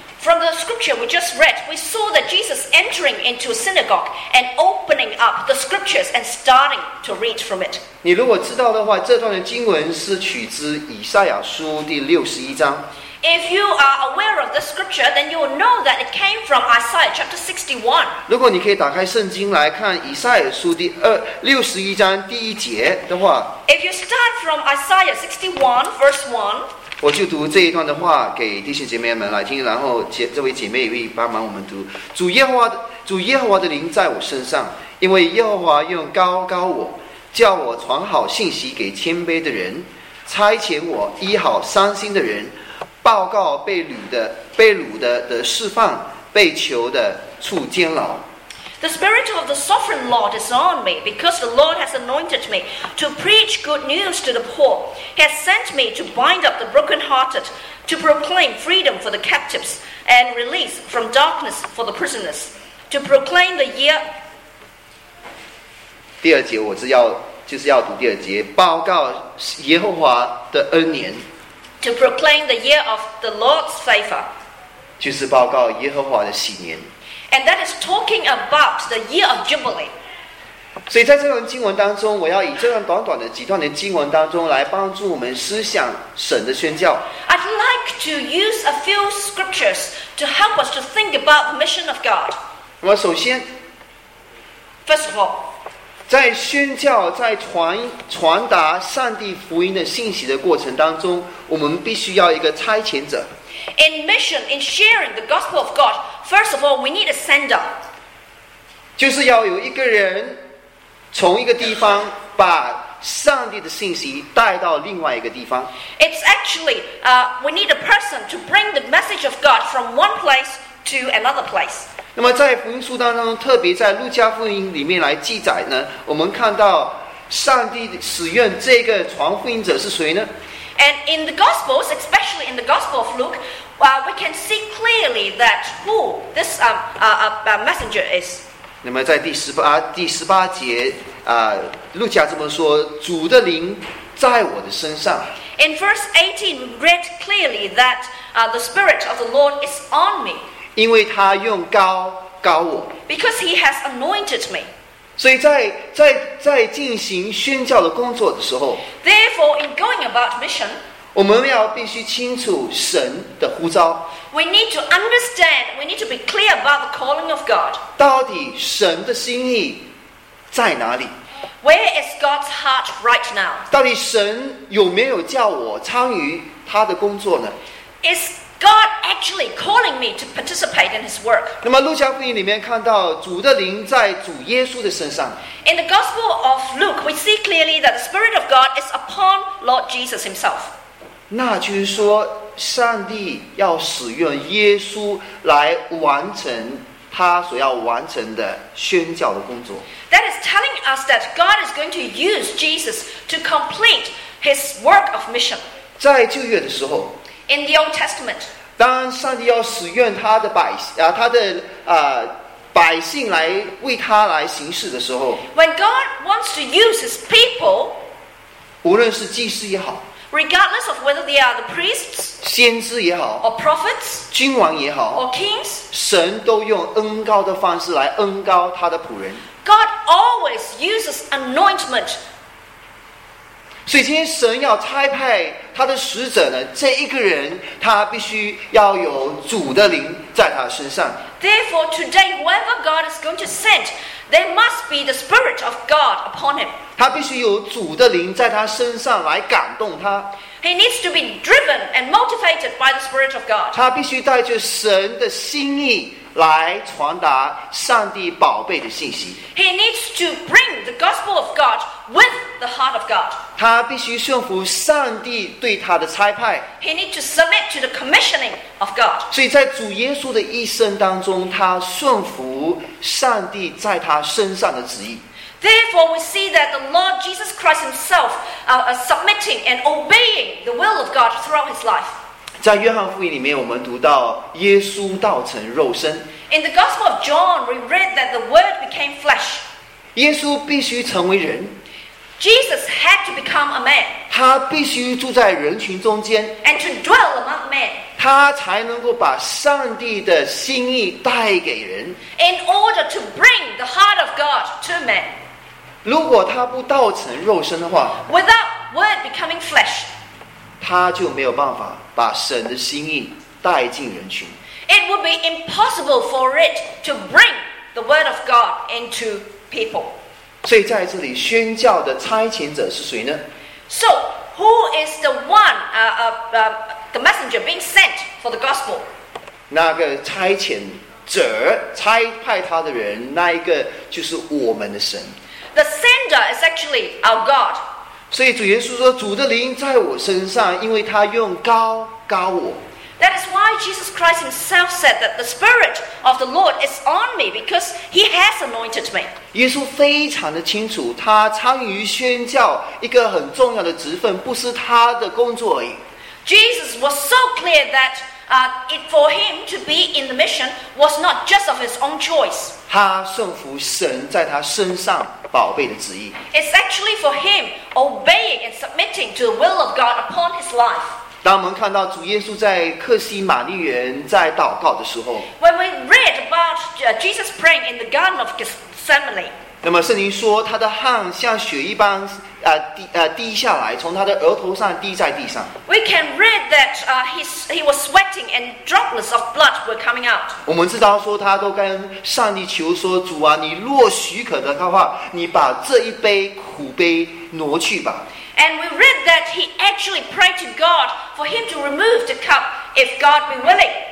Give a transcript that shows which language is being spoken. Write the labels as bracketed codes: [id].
[en] From the scripture we just read, we saw that Jesus entering into a synagogue and opening up the scriptures and starting to read from it. [zh] 你如果知道的话，这段的经文是取自以赛亚书第61章。 [en] If you are aware of the scripture, then you will know that it came from Isaiah chapter 61. [zh] 如果你可以打开圣经来看以赛亚书第61章第一节的话， [en] If you start from Isaiah 61 verse 1, [zh] 我就读这一段的话给弟兄姐妹们来听，然后这位姐妹也会帮忙我们读。主耶和华的灵在我身上，因为耶和华用高高我，叫我传好信息给谦卑的人，差遣我医好伤心的人，报告被掳的释放，被囚的处监牢。 [en] The Spirit of the Sovereign Lord is on me, because the Lord has anointed me to preach good news to the poor. He has sent me to bind up the brokenhearted, to proclaim freedom for the captives, and release from darkness for the prisoners, to proclaim the year. [zh] 第二节我是要，就是要读第二节，报告耶和华的恩年。 [en] To proclaim the year of the Lord's favor. [zh] 就是报告耶和华的喜年。 [en] And that is talking about the year of Jubilee. [zh] 所以在这段经文当中，我要以这段短短的几段的经文当中来帮助我们思想神的宣教。 [en] I'd like to use a few scriptures to help us to think about the mission of God. [zh] 那么首先 [en] First of all, [zh] 在宣教，在传达上帝福音的信息的过程当中，我们必须要一个差遣者。 [en] In mission, in sharing the gospel of God, first of all, we need a sender. [zh] 就是要有一个人从一个地方把上帝的信息带到另外一个地方。 [en] It's actually, we need a person to bring the message of God from one place to another place. [zh] 那么在福音书当中，特别在路加福音里面来记载呢，我们看到上帝使用这个传福音者是谁呢？ [en] And in the Gospels, especially in the Gospel of Luke, we can see clearly that who this messenger is. [zh] 那么在第十八节，路加这么说，主的灵在我的身上。 [en] In verse 18, we read clearly that the Spirit of the Lord is on me. [zh] 因为他用膏膏我。 [en] Because he has anointed me. [zh] 所以在进行宣教的工作的时候， [en] Therefore, in going about mission, [zh] 我们要必须清楚神的呼召。 [en] We need to understand, we need to be clear about the calling of God. [zh] 到底神的心意在哪里？ [en] Where is God's heart right now? [zh] 到底神有没有叫我参与他的工作呢？ [en] Is God actually calling me to participate in his work? [zh] 那么路加福音里面看到主的灵在主耶稣的身上。 [en] In the Gospel of Luke, we see clearly that the Spirit of God is upon Lord Jesus himself. [zh] 那就是说上帝要使用耶稣来完成他所要完成的宣教的工作。 [en] That is telling us that God is going to use Jesus to complete his work of mission. [zh] 在旧约的时候， [en] In the Old Testament, [zh] 当上帝要使用他的百姓、啊、他的、百姓来为他来行事的时候， [en] When God wants to use his people, [zh] 无论是祭司也好， [en] Regardless of whether they are the priests, [zh] 先知也好， [en] or prophets, [zh] 君王也好， [en] or kings, [zh] 神都用恩膏的方式来恩膏他的仆人。 [en] God always uses anointment. [zh] 所以今天神要差派他的使者呢，这一个人他必须要有主的灵在他身上。 [en] Therefore, today, whoever God is going to send, there must be the Spirit of God upon him. [zh] 他必须有主的灵在他身上来感动他。 [en] He needs to be driven and motivated by the Spirit of God. [zh] 他必须带着神的心意来传达上帝宝贝的信息。 [en] He needs to bring the gospel of God with the heart of God. [zh] 他必须顺服上帝对他的差派。 [en] He needs to submit to the commissioning of God. [zh] 所以在主耶稣的一生当中，他顺服上帝在他身上的旨意。 [en] Therefore, we see that the Lord Jesus Christ himself is submitting and obeying the will of God throughout his life. [zh] 在约翰福音里面我们读到耶稣道成肉身。 [en] In the Gospel of John, we read that the Word became flesh. [zh] 耶稣必须成为人。 [en] Jesus had to become a man. [zh] 他必须住在人群中间。 [en] And to dwell among men. [zh] 他才能够把上帝的心意带给人。 [en] In order to bring the heart of God to man. [zh] 如果他不道成肉身的话， [en] Without word becoming flesh, [zh] 他就没有办法把神的心意带进人群。 [en] It would be impossible for it to bring the word of God into people. [zh] 所以在这里宣教的差遣者是谁呢？ [en] So, who is the one, the messenger being sent for the gospel. [zh] 那个差遣者，差派他的人，那一个就是我们的神。 [en] The sender is actually our God. [zh] 所以主耶稣说，主的灵在我身上，因为他用膏膏我。 [en] That is why Jesus Christ himself said that the Spirit of the Lord is on me because he has anointed me. [zh] 耶稣非常的清楚，他参与宣教一个很重要的职分，不是他的工作而已。 [en] Jesus was so clear that for him to be in the mission was not just of his own choice. [zh] 他顺服神在他身上宝贝的旨意。 [en] It's actually for him obeying and submitting to the will of God upon his life. [zh] 当我们看到主耶稣在客西马尼园在祷告的时候， [en] When we read about Jesus praying in the Garden of Gethsemane, [zh] 那么圣经说他的汗像血一般滴下来，从他的额头上滴在地上。 [en] We can read that he was sweating and droplets of blood were coming out. [zh] 我们知道说他都跟上帝求说，主啊，你若许可的话，你把这一杯苦杯挪去吧。 [en] And we read that he actually prayed to God for him to remove the cup if God be willing.